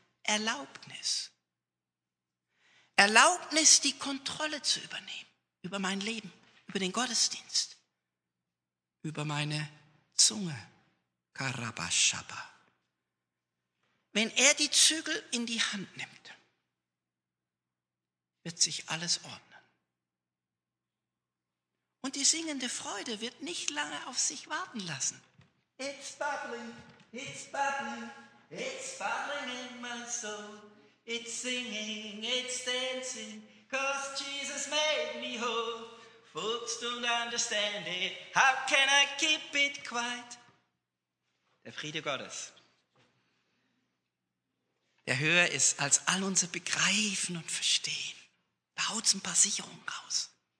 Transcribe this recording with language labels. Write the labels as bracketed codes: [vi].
[de] Erlaubnis. Erlaubnis, die Kontrolle zu übernehmen über mein Leben, über den Gottesdienst, über meine Zunge. Karabashaba. Wenn er die Zügel in die Hand nimmt, wird sich alles ordnen. Und die singende Freude wird nicht lange auf sich warten lassen. [en] It's bubbling, it's bubbling, it's bubbling in my soul. It's singing, it's dancing, 'cause Jesus made me whole. Folks don't understand it, how can I keep it quiet? [de] Der Friede Gottes, der höher ist als all unser Begreifen und Verstehen, da haut es ein paar Sicherungen raus.